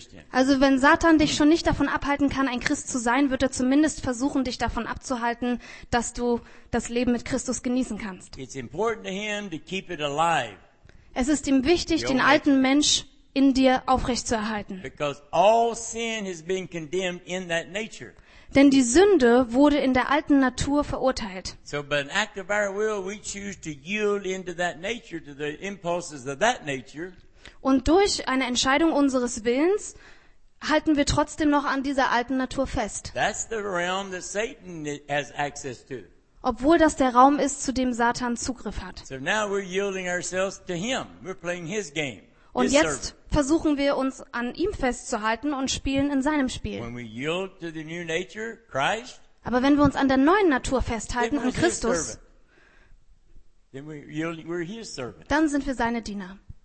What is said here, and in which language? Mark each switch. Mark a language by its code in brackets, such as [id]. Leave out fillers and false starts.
[de] Also wenn Satan dich schon nicht davon abhalten kann, ein Christ zu sein, wird er zumindest versuchen, dich davon abzuhalten, dass du das Leben mit Christus genießen kannst. [en] It's important to him to keep it alive. [de] Es ist ihm wichtig, den alten Mensch in dir aufrechtzuerhalten. [en] Because all sin has been condemned in that nature. [de] Denn die Sünde wurde in der alten Natur verurteilt. [en] So, by an act of our will, we choose to yield into that nature, to the impulses of that nature. [de] Und durch eine Entscheidung unseres Willens halten wir trotzdem noch an dieser alten Natur fest. [en] That's the realm that Satan has access to. [de] Obwohl das der Raum ist, zu dem Satan Zugriff hat. [en] So now we're yielding ourselves to him. We're playing his game. [de] Und jetzt versuchen wir, uns an ihm festzuhalten und spielen in seinem Spiel. Aber wenn wir uns an der neuen Natur festhalten, an Christus, dann sind wir seine Diener.